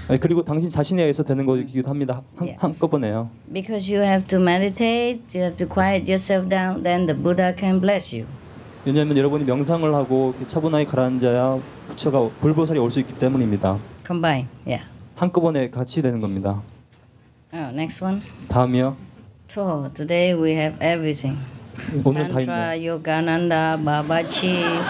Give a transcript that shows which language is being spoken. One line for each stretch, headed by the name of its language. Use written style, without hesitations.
Korean: 그리고 당신 자신에 의해서 되는 거기도 합니다. 한꺼번에요.
English: Because you have to meditate, you have to quiet yourself down, then the Buddha can bless you.
Korean: 왜냐하면 여러분이 명상을 하고 차분하게 가라앉아야 부처가 불보살이 올 수 있기 때문입니다.
English: Combine, yeah.
Korean: 한꺼번에 같이 되는 겁니다.
English: Oh, next one.
Korean: 다음이요.
English: So today we have everything.
Korean: 오늘 다 있네요.
English: Tantra, Yogananda, Babaji.